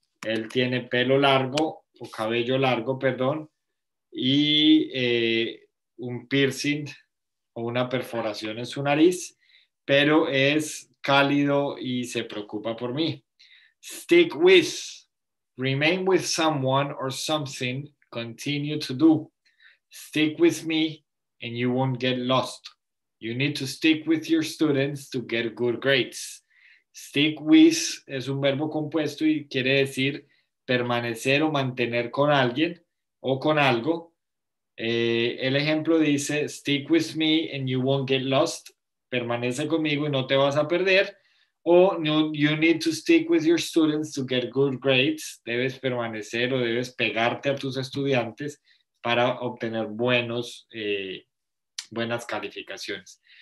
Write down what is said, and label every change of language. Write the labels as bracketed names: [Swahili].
[Spanish] Él tiene pelo largo, o cabello largo, perdón, y un piercing o una perforación en su nariz, pero es cálido y se preocupa por mí. [English] Stick with, remain with someone or something, continue to do. Stick with me and you won't get lost. You need to stick with your students to get good grades. [Spanish] Stick with es un verbo compuesto y quiere decir permanecer o mantener con alguien o con algo. El ejemplo dice, [English] stick with me and you won't get lost. [Spanish] Permanece conmigo y no te vas a perder. [English] O you need to stick with your students to get good grades. [Spanish] Debes permanecer o debes pegarte a tus estudiantes para obtener buenas calificaciones.